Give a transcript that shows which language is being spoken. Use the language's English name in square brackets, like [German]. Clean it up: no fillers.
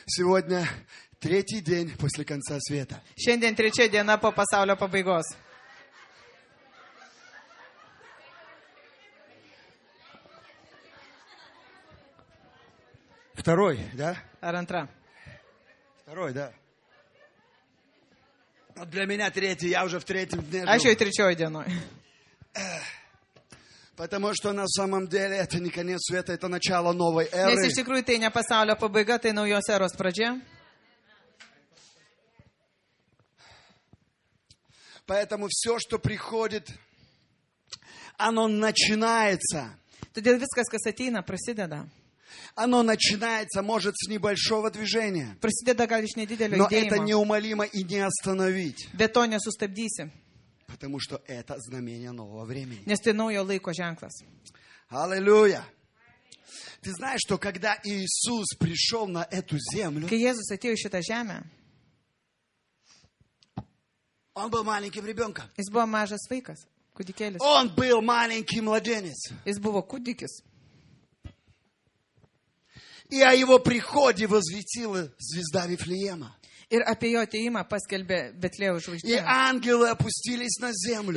[Russian] Сегодня третий день после конца света. [Lithuanian] Šiandien trečia diena po pasaulio pabaigos. [Russian] Второй, да? Арантра. Второй, да. Вот для меня третий, я уже в третьем дне. А еще и третьей дней. Потому что на самом деле это не конец света, это начало новой эры. Если в сикрую ты не [Lithuanian] pasaulio pabaiga, [Russian] ты [Lithuanian] naujos eros pradžia. [Russian] Поэтому все, что приходит, оно начинается. [Lithuanian] Todėl viskas, kas ateina, prasideda. [Russian] Оно начинается, может, с небольшого движения. [Lithuanian] Prasideda gal iš nedidelio judėjimo. [Russian] Но это неумолимо и не остановить. [Lithuanian] Bet to nesustabdysi. [Russian] Потому что это знамение нового времени. [Lithuanian] Nes tai naujo laiko ženklas. [Russian] Аллилуйя. Ты знаешь, что когда Иисус пришел на эту землю, [Lithuanian] kai Jėzus atėjo į šitą žemę, [Russian] Он был маленьким ребенком. [Lithuanian] Jis buvo mažas vaikas, kūdikėlis. [Russian] Он был маленьким младенец. [Lithuanian] Jis buvo kūdikis. [Russian] И о его приходе возвестила звезда Вифлеема. [Lithuanian] Ir apie jo atėjimą paskelbė Betliejaus žvaigždė. [Russian] И ангелы опустились на землю.